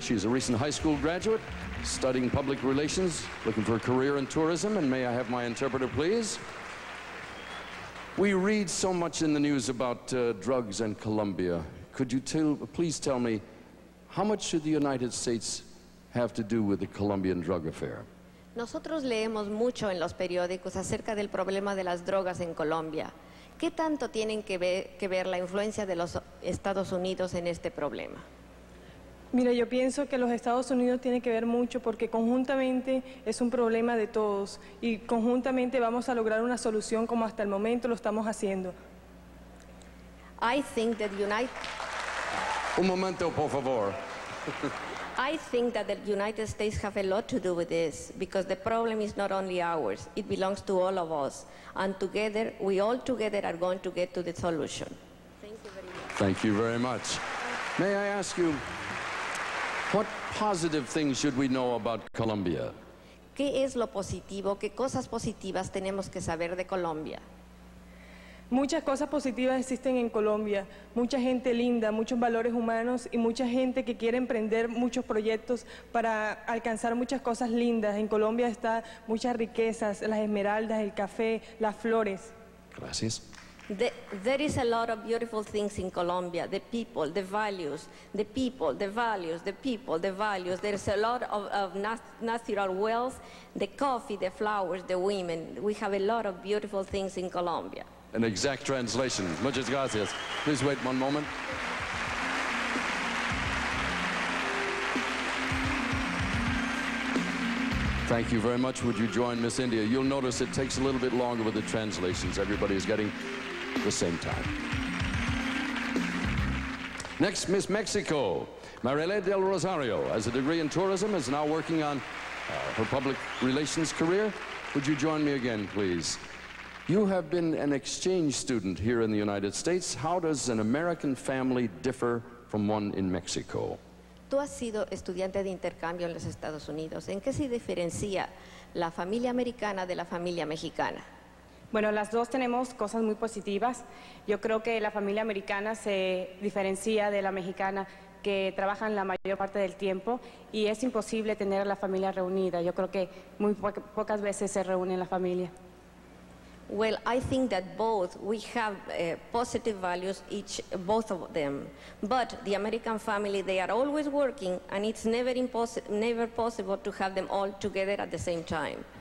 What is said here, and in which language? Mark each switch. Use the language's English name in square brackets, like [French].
[English] She's a recent high school graduate, studying public relations, looking for a career in tourism. And may I have my interpreter, please? We read so much in the news about drugs and Colombia. Could you please tell me, how much should the United States have to do with the Colombian drug affair? [Spanish] Nosotros leemos mucho en los periódicos acerca del problema de las drogas en Colombia. ¿Qué tanto tienen que ver la influencia de los Estados Unidos en este problema? Mira, yo pienso que los Estados Unidos tienen que ver mucho porque conjuntamente es un problema de todos y conjuntamente vamos a lograr una solución como hasta el momento lo estamos haciendo. [English] I think that United... [Spanish] Un momento, por favor. [English] I think that the United States have a lot to do with this because the problem is not only ours, it belongs to all of us. And together, we all together are going to get to the solution. Thank you very much. Thank you very much. May I ask you, what positive things should we know about Colombia? [Spanish] ¿Qué es lo positivo? ¿Qué cosas positivas tenemos que saber de Colombia? Muchas cosas positivas existen en Colombia. Mucha gente linda, muchos valores humanos y mucha gente que quiere emprender muchos proyectos para alcanzar muchas cosas lindas. En Colombia está muchas riquezas, las esmeraldas, el café, las flores. Gracias. [English] There is a lot of beautiful things in Colombia. The people, the values, the people, the values, the people, the values. There's a lot of natural wealth, the coffee, the flowers, the women. We have a lot of beautiful things in Colombia. An exact translation. [Spanish] Muchas gracias. [English] Please wait one moment. Thank you very much. Would you join Miss India? You'll notice it takes a little bit longer with the translations. Everybody is getting the same time. Next, Miss Mexico. Marielle del Rosario has a degree in tourism, is now working on her public relations career. Would you join me again, please? You have been an exchange student here in the United States. How does an American family differ from one in Mexico? [Spanish] Tú has sido estudiante de intercambio en los Estados Unidos. ¿En qué se diferencia la familia americana de la familia mexicana? Bueno, las dos tenemos cosas muy positivas. Yo creo que la familia americana se diferencia de la mexicana, que trabajan la mayor parte del tiempo y es imposible tener a la familia reunida. Yo creo que muy pocas veces se reúne la familia. [English] Well, I think that both we have positive values, each both of them. But the American family, they are always working, and it's never never possible to have them all together at the same time.